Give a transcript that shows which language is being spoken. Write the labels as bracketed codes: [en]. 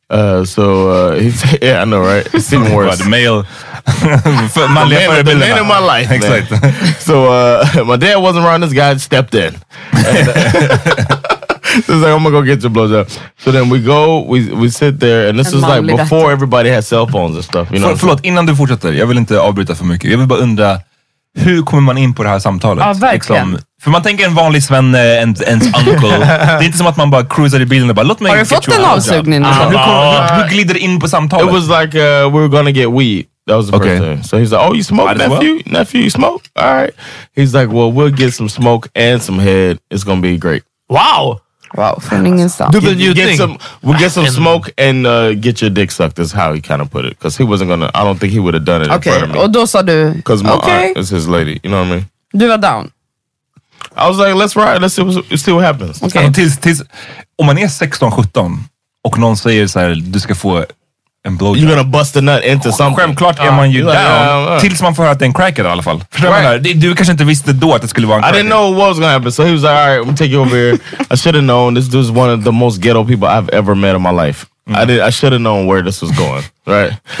[en] Yeah, I know, right? It's even worse. The male. the man in my life. Exactly. So, my dad wasn't around, this guy stepped in. So he's like, I'm gonna go get your blowjob. So then we go, we sit there, and this is like before everybody had cell phones and stuff. You know? [sv] Förlåt, innan du fortsätter, jag vill inte avbryta för mycket. Jag vill bara undra, hur kommer man in på det här samtalet? Ja, verkligen. För man tänker en vanlig svenne, ens uncle. Det är inte som att man bara cruisar i bilen och bara, låt mig har fått en avsugning? Hur glider in på samtalet? [en] It was like, we were gonna get weed. That was the first thing. So he's like, oh, you smoke, nephew, you smoke? All right. He's like, well, we'll get some smoke and some head. It's gonna be great. Wow. Wow, finding yourself. Do the new thing. We'll get some smoke and get your dick sucked, is how he kind of put it. Because he wasn't gonna, I don't think he would have done it okay. in front of me. [sv] Okay, och då sa du, [en] because my aunt is his lady, you know what I mean? [sv] Du var down. [en] I was like, let's ride, let's see what happens. [sv] Okay. Om man är 16-17 och någon säger så här, du ska få en blowjob. [en] You're gonna bust a nut into something. [sv] Självklart är man ju down. Tills man får höra att det är en cracker i alla fall. Du kanske inte visste då att det skulle vara en cracker. [en] I didn't know what was gonna happen. So he was like, all right, we'll take you over here. I should have known. This dude's one of the most ghetto people I've ever met in my life. I should have known where this was going, right?